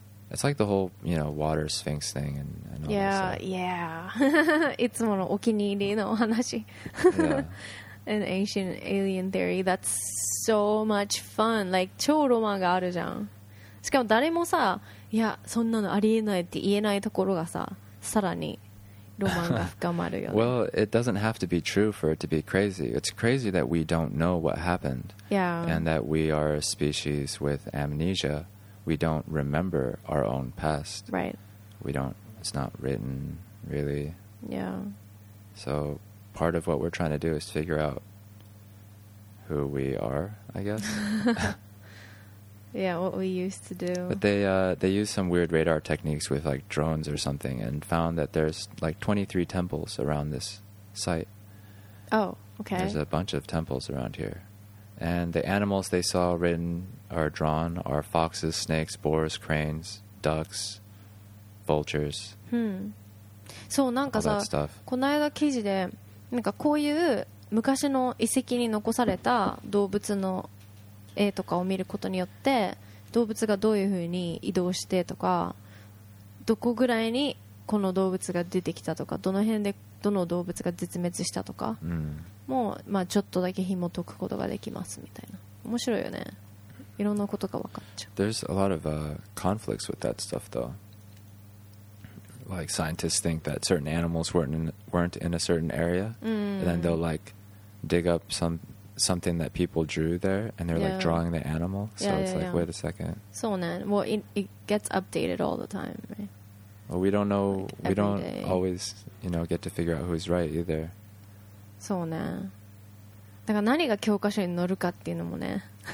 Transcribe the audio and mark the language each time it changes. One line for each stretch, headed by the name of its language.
English: It's like the whole, you know, water sphinx thing and all yeah, that. Yeah, yeah.
Japanese: いつものお気に入りの話。
English: An ancient alien theory. That's so much fun.
Japanese: Like, 超ロマンがあるじゃん。しかも誰もさ、いや、そんなのありえないって言えないところがさ、さらにロマンが深まるよね。
English: Well, it doesn't have to be true for it to be crazy. It's crazy that we don't know what happened. Yeah. And that we are a species with amnesia. We don't remember our own past. Right. We don't, it's not written, really. Yeah. So part of what we're trying to do is figure out who we are, I guess. Yeah, what we used to do. But they used some weird radar techniques with like drones or something and found that there's like 23 temples around this site. Oh, okay. There's a bunch of temples around here. And the animals they saw written or drawn are foxes, snakes, boars, cranes, ducks, vultures.
Japanese: そう、なんかさ、この間記事でなんかこういう昔の遺跡に残された動物の絵とかを見ることによって動物がどういう風に移動してとかどこぐらいにこの動物が出てきたとかどの辺でどの動物が絶滅したとか、 mm. もう、まあ、ちょっとだけ紐解くことができますみたいな面白いよねいろんなことが分かっちゃう
English: There's a lot of conflicts with that stuff though Like scientists think that certain animals weren't in a certain area、 mm. And then they'll like dig up something that people drew there and they're yeah, like drawing the animal so yeah, it's yeah, like yeah. wait a second so then well it gets updated all the time right? well we don't know like, we don't、 day. always you know get to figure out who's right either
Japanese: そうねだから何が教科書に載るかっていうのもね。